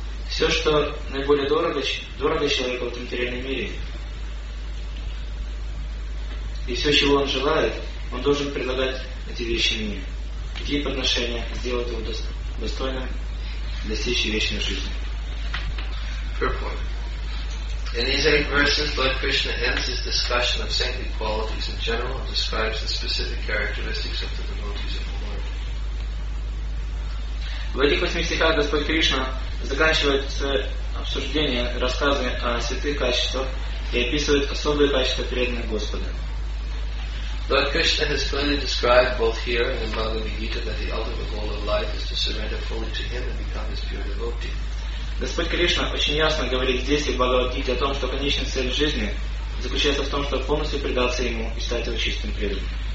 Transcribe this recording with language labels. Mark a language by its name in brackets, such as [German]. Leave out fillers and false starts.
[Russian] Все, что наиболее дорого человеку в материальном мире, и все, чего он желает, он должен предлагать эти вещи мне. Какие подношения сделают его достойным достичь вечной жизни? [English] In these eight verses, Lord Krishna ends his discussion of saintly qualities in general and describes the specific characteristics of the devotees of the Lord. [Russian] В этих восьми стихах Господь Кришна заканчивает обсуждение, рассказывая о святых качествах и описывает особые качества преданных Господа. [English] Lord Krishna has clearly described both here and in Bhagavad Gita that the ultimate goal of life is to surrender fully to Him and become His pure devotee. [Russian] Господь Кришна очень ясно говорит здесь и в Бхагавад-гите о том, что конечная цель жизни заключается в том, чтобы полностью предаться Ему и стать Его чистым преданным.